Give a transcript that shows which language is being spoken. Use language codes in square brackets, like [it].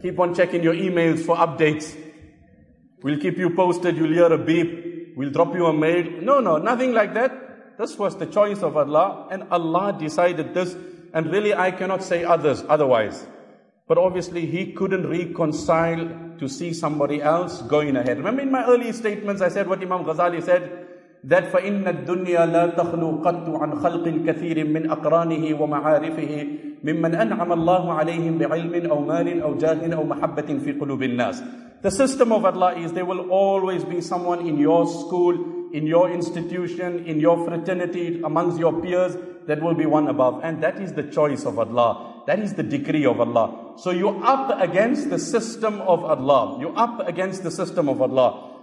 [en] Keep on checking your emails for updates. We'll keep you posted. You'll hear a beep. We'll drop you a mail. No, nothing like that. This was the choice of Allah, and Allah decided this. And really, I cannot say otherwise. But obviously, he couldn't reconcile to see somebody else going ahead. Remember in my early statements, I said what Imam Ghazali said, that [ar] فَإِنَّ الدُّنْيَا لَا تَخْلُو قَطُّ عَنْ خَلْقٍ كَثِيرٍ مِّنْ أَقْرَانِهِ وَمَعَارِفِهِ مِمَّنْ أَنْعَمَ اللَّهُ عَلَيْهِمْ بِعِلْمٍ أَوْ مَالٍ أَوْ جَاهٍ أَوْ مَحَبَّةٍ فِي قُلُوبِ النَّاسِ. [en] The system of Allah is there will always be someone in your school, in your institution, in your fraternity, amongst your peers, that will be one above. And that is the choice of Allah. That is the decree of Allah. So you're up against the system of Allah. You're up against the system of Allah.